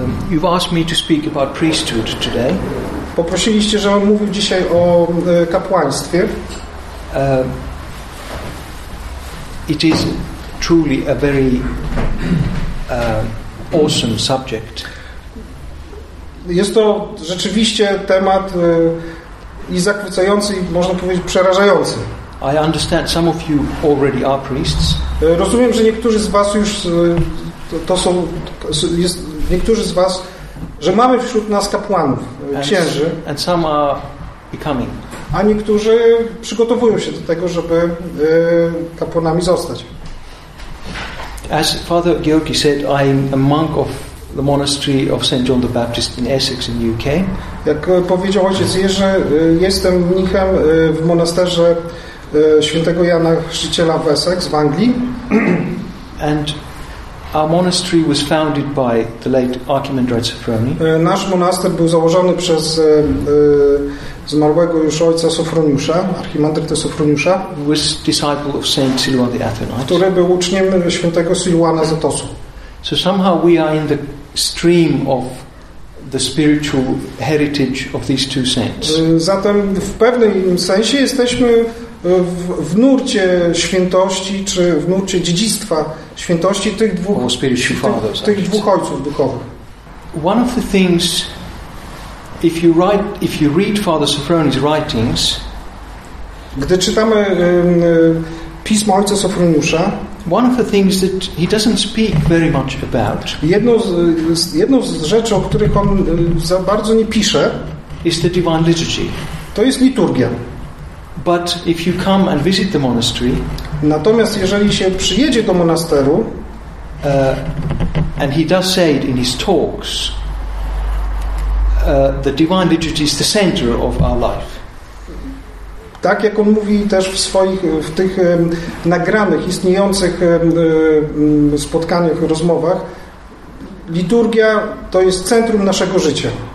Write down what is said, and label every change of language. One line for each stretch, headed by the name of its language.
English: You've asked me to speak about priesthood today.
Polish: Poprosiliście, żebym mówił dzisiaj o kapłaństwie.
English: It is truly a very awesome subject.
Polish: Jest to rzeczywiście temat i zachwycający, i można powiedzieć przerażający.
English: I understand some of you already are priests.
Polish: Rozumiem, że niektórzy z was już to są, jest, niektórzy z was, że mamy wśród nas kapłanów, księży.
English: And some are becoming.
Polish: A niektórzy przygotowują się do tego, żeby kapłanami zostać.
English: As Father Georgi said, I'm a monk of the monastery of St. John the Baptist in Essex in the UK.
Polish: Jak powiedział ojciec Jerzy, jestem mnichem w monasterze Świętego Jana Chrzciciela w Essex w Anglii.
English: And our monastery was founded by the late Archimandrite Sofroni.
Polish: Nasz monaster był założony przez zmarłego już ojca Sofroniusza, archimandryta Sofroniusza,
English: was disciple of Saint Silwan the Athenite,
Polish: który był uczniem świętego Siluana z Atosu.
English: So somehow we are in the stream of the spiritual heritage of these two saints.
Polish: Zatem w pewnym sensie jesteśmy w nurcie świętości, czy w nurcie dziedzictwa świętości tych dwóch, tych dwóch ojców duchowych.
English: One of the things, if you read Father Sofroni's writings,
Polish: gdy czytamy pismo ojca Sofroniusza,
English: one of the things that he doesn't speak very much about,
Polish: jedną z rzeczy, o których on za bardzo nie pisze,
English: is the divine liturgy.
Polish: To jest liturgia.
English: But if you come and visit the monastery,
Polish: natomiast jeżeli się przyjedzie do monasteru,
English: and he does say it in his talks, the divine liturgy is the center of our life.
Polish: Tak jak on mówi też w tych nagranych, istniejących spotkaniach, rozmowach, liturgia to jest centrum naszego życia.